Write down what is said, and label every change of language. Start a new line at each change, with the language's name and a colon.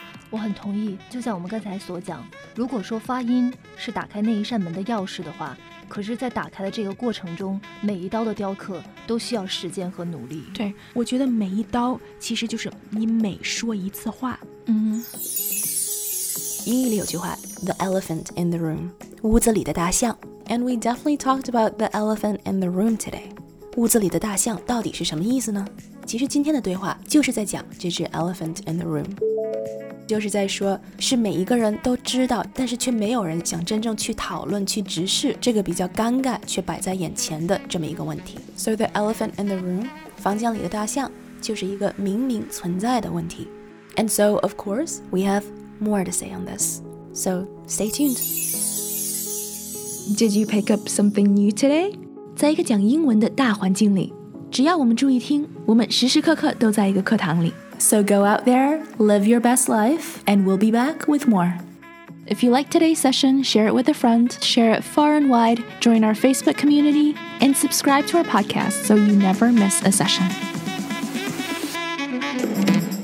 Chinese: 我很同意，就像我们刚才所讲，如果说发音是打开那一扇门的钥匙的话，可是在打开的这个过程中，每一刀的雕刻都需要时间和努力。对，我觉得每一刀其实就是你每说一次话。英语里有句话
English: The elephant in the room，
Chinese: 屋子里的大象。
English: And we definitely talked about the elephant in the room today。
Chinese: 屋子里的大象到底是什么意思呢？其实今天的对话就是在讲这只
English: elephant in the room，
Chinese: 就是在说，是每一个人都知道，但是却没有人想真正去讨论，去直视这个比较尴尬却摆在眼前的这么一个问题。
English: So the elephant in the room，
Chinese: 房间里的大象，就是一个明明存在的问题。
English: And so of course we have more to say on this， So stay tuned。 Did you pick up something new today？
Chinese: 在一个讲英文的大环境里，只要我们注意听，我们时时刻刻都在一个课堂里。
English: So go out there, live your best life, and we'll be back with more. If you like today's session, share it with a friend, share it far and wide, join our Facebook community, and subscribe to our podcast so you never miss a session.